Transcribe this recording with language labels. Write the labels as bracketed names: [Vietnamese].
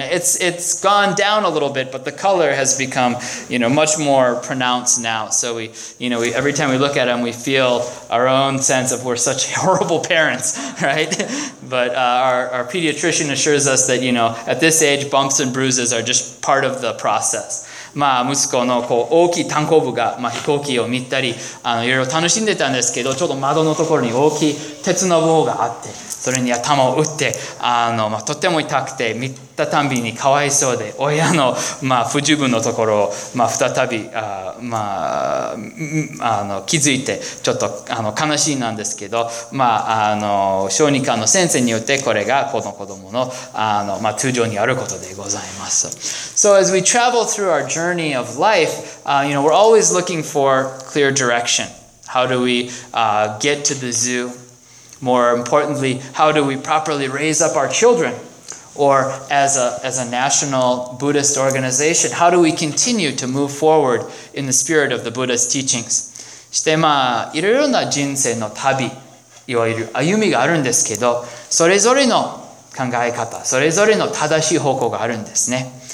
[English] And it's gone down a little bit, but the color has become, you know, much more pronounced now. So we every time we look at him, we feel our own sense of we're such horrible parents, right? But our pediatrician assures us that, you know, at this age, bumps and bruises are just part of the process. [Japanese] まあ、息子のこう大きい炭鉱部が、まあ、飛行機を見たり、いろいろ楽しんでたんですけど、ちょっと窓のところに大きい鉄の棒があって、それに頭を打って、まあ、とても痛くて、見たたびにかわいそうで、親の、まあ、不十分のところを、まあ、再び、まあ、気づいて、ちょっと悲しいなんですけど、まあ、小児科の先生によって、これがこの子どもの、まあ、通常にあることでございます。 [English] So as we travel through our journey of life, we're always looking for clear direction. How do we get to the zoo? More importantly, how do we properly raise up our children? Or as a national Buddhist organization, how do we continue to move forward in the spirit of the Buddha's teachings? [Japanese] して、まあ、いろいろな人生の旅、いわゆる歩みがあるんですけど、それぞれの考え方、それぞれの正しい方向があるんですね。